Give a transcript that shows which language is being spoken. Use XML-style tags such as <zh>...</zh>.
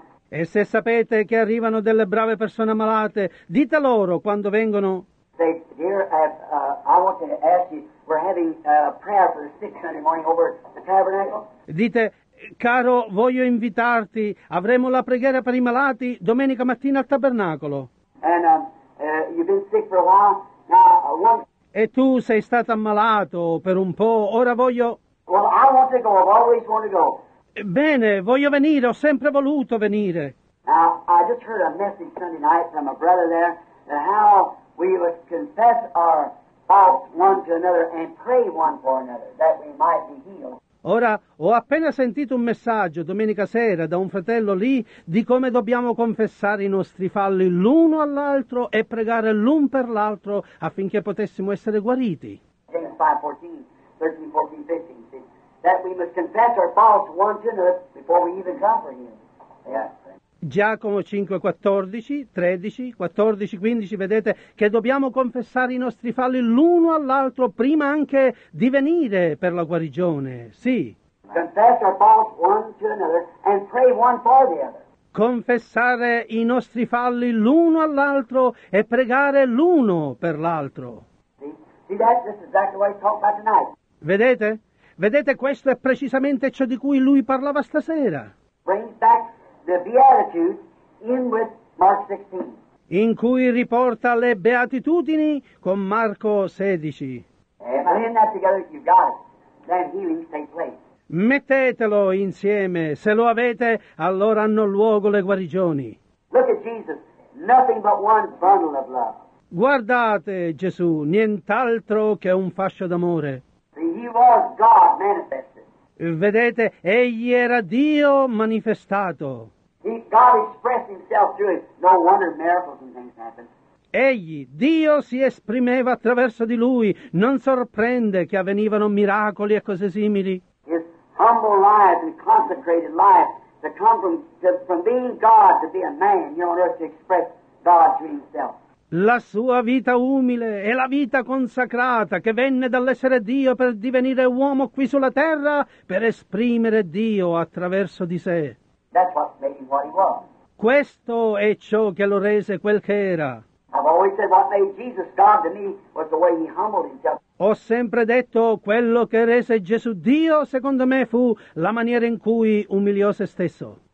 <it>E se sapete che arrivano delle brave persone malate, dite loro quando vengono.</it> <en>Say, dear, I want to ask you, we're having a prayer for the sick Sunday morning over the tabernacle.</en> <it>Dite, caro, voglio invitarti, avremo la preghiera per i malati domenica mattina al tabernacolo.</it> <en>And you've been sick for a while, now one.</en> <it>E tu sei stato ammalato per un po', ora voglio.</it> <en>Well, I want to go, I've always wanted to go.</en> <it>Bene, voglio venire, ho sempre voluto venire.</it> <en>Now, I just heard a message Sunday night from a brother there, that how we would confess our faults one to another and pray one for another, that we might be healed.</en> <it>Ora, ho appena sentito un messaggio domenica sera da un fratello lì di come dobbiamo confessare i nostri falli l'uno all'altro e pregare l'un per l'altro affinché potessimo essere guariti.</it> <en>James 5:13, 13, 14, 15, that we must confess our faults one to another before we even come for him.</en> <it>Giacomo 5:14, 13, 14, 15, vedete che dobbiamo confessare i nostri falli l'uno all'altro prima anche di venire per la guarigione, sì.</it> <en>Confess our faults one to another and pray one for the other.</en> <it>Confessare i nostri falli l'uno all'altro e pregare l'uno per l'altro.</it> <en>See that? This is exactly what he talked about tonight.</en> <it>Vedete? Vedete, questo è precisamente ciò di cui lui parlava stasera.</it> <en>Bring back the Beatitudes in with Mark 16.</en> <it>In cui riporta le beatitudini con Marco 16.</it> <en>And in that together you've got it, then healing takes place.</en> <it>Mettetelo insieme, se lo avete, allora hanno luogo le guarigioni.</it> <en>Look at Jesus, nothing but one bundle of love.</en> <it>Guardate Gesù, nient'altro che un fascio d'amore.</it> <en>See, he was God manifested.</en> <it>Vedete, egli era Dio manifestato.</it> <en>God expressed himself through it. No wonder miracles and things happened.</en> <it>Egli, Dio, si esprimeva attraverso di lui. Non sorprende che avvenivano miracoli e cose simili.</it> <en>His humble life and consecrated life to come from being God to be a man here on earth to express God to himself.</en> <it>La sua vita umile e la vita consacrata che venne dall'essere Dio per divenire uomo qui sulla terra per esprimere Dio attraverso di sé.</it> <en>That's what made him what he was.</en> <it>Questo è ciò che lo rese quel che era.</it> <en>I've always said what made Jesus God to me was the way he humbled himself.</en> <it>Ho sempre detto quello che rese Gesù Dio secondo me fu la maniera in cui umiliò se stesso.</it>